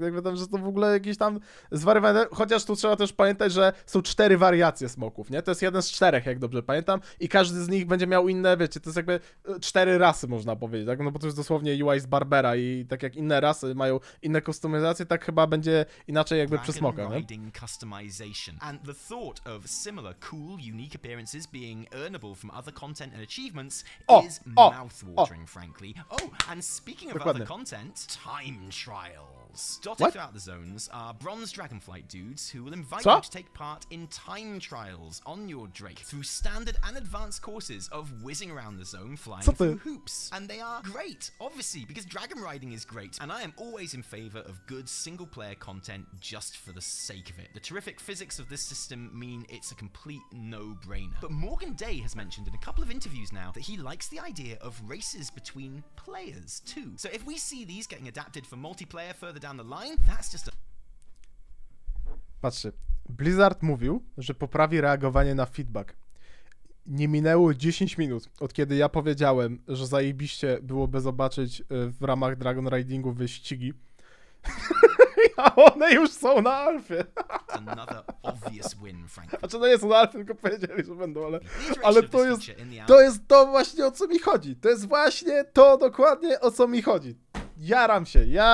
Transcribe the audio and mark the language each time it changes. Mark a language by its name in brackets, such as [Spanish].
[Polish] Jakby tam, że to w ogóle jakieś tam zwariowane... Chociaż tu trzeba też pamiętać, że są cztery wariacje smoków, nie? To jest jeden z czterech, jak dobrze pamiętam, i każdy z nich będzie miał inne, wiecie, to jest jakby cztery rasy, można powiedzieć, tak? No bo to jest dosłownie UI z Barbera i tak jak inne rasy mają inne kustomizacje, tak chyba będzie inaczej jakby przy smokach, nie? [English] Riding customization. And the thought of similar cool, unique appearances being earnable from other content and achievements is mouth-watering, frankly. And speaking of other content, time trials. Dotted throughout the zones are bronze dragonflight dudes who will invite you to take part in time trials on your drake through standard and advanced courses of whizzing around the zone flying through hoops. And they are great, obviously, because dragon riding is great, and I am always in favor of good single player content just for the sake of it. The terrific physics of this system mean it's a complete no-brainer. But Morgan Day has mentioned in a couple of interviews now that he likes the idea of races between players. So if we see these getting adapted for multiplayer further down the line, that's just a... [Polish] Patrzcie, Blizzard mówił, że poprawi reagowanie na feedback. Nie minęło 10 minut, od kiedy ja powiedziałem, że zajebiście byłoby zobaczyć w ramach Dragon Ridingu wyścigi. A one już są na alfie. [English] Another obvious win, frankly. [Polish] Znaczy, no nie są na alfie, tylko powiedzieli, że będą, ale to jest to właśnie, o co mi chodzi. To jest właśnie to dokładnie, o co mi chodzi. Jaram się.